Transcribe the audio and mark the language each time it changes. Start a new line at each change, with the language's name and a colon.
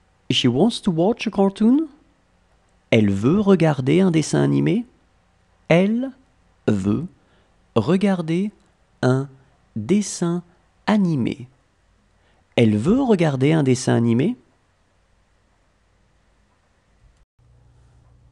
English: She wants to watch a cartoon.
French: Elle veut regarder un dessin animé. Elle veut regarder un dessin animé. Elle veut regarder un dessin animé.
English: That was the wrong answer.